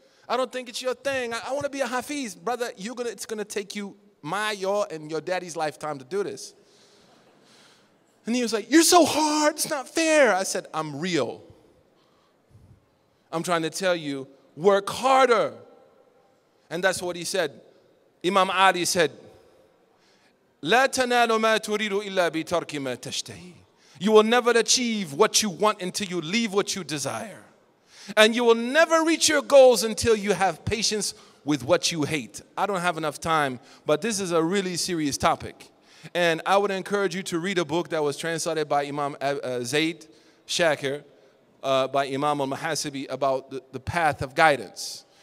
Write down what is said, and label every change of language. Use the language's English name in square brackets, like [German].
[English] I don't think it's your thing. I want to be a Hafiz. Brother, it's going to take you and your daddy's lifetime to do this. And he was like, you're so hard. It's not fair. I said, I'm real. I'm trying to tell you, work harder. And that's what he said. [Arabic] Imam Ali said, لَا تَنَالُ مَا تُرِيدُ إِلَّا بِتَرْكِ مَا تَشْتَهِ. [English] You will never achieve what you want until you leave what you desire. And you will never reach your goals until you have patience with what you hate. I don't have enough time, but this is a really serious topic. And I would encourage you to read a book that was translated by Imam Zayd Shakir, by Imam al-Muhasibi, about the path of guidance.